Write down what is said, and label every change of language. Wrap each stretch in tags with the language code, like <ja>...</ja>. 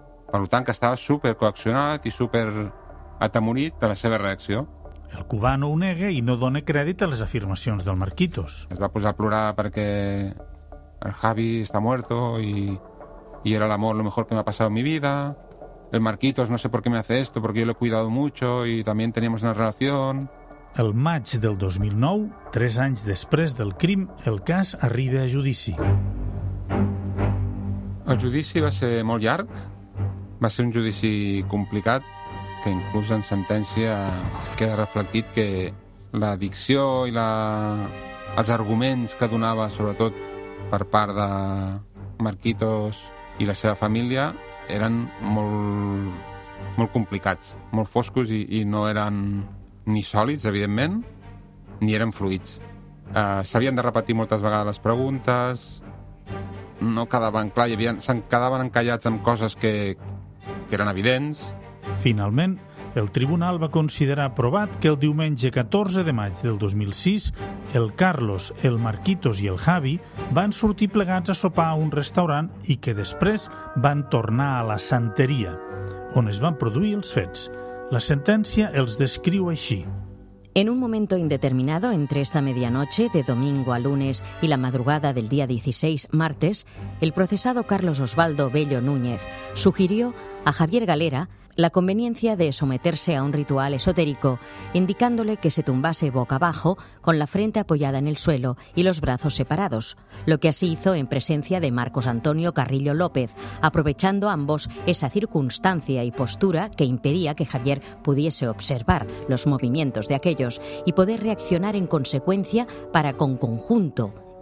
<ca>Per tant, que estava super coaccionat i super atemorit de la seva reacció. El cubano ho nega i no dona crèdit a les afirmacions del Marquitos. Es va posar a plorar perquè el Javi està</ca> <es>muerto</es> <ca>i era l'amor</ca> <es>lo mejor</es> <ca>que m'ha passat</ca> <es>en mi vida. El Marquitos, no sé por qué me hace esto, porque yo lo he cuidado mucho y también teníamos una relación.</es> <ca>El maig del 2009, 3 anys després del crim, el cas arriba a judici. El judici va ser molt llarg, va ser un judici complicat, que inclús en sentència queda reflectit que l'addicció i els arguments que donava, sobretot per part de Marquitos i la seva família, eren molt, molt complicats, molt foscos i no eren ni sòlids, evidentment, ni eren fluïts. S'havien de repetir moltes vegades les preguntes, no quedaven clar, se'n quedaven encallats amb coses que eren evidents. Finalment, el tribunal va considerar aprovat que el diumenge 14 de maig del 2006 el Carlos, el Marquitos i el Javi van sortir plegats a sopar a un restaurant i que després van tornar a la Santeria, on es van produir els fets. La sentència els descriu així.</ca> <es>En un momento indeterminado entre esta medianoche de domingo a lunes y la madrugada del día 16, martes, el procesado Carlos Osvaldo Bello Núñez sugirió a Javier Galera la conveniencia de someterse a un ritual esotérico, indicándole que se tumbase boca abajo, con la frente apoyada en el suelo y los brazos separados, lo que así hizo en presencia de Marcos Antonio Carrillo López, aprovechando ambos esa circunstancia y postura que impedía que Javier pudiese observar los movimientos de aquellos y poder reaccionar en consecuencia para con conjunto</es>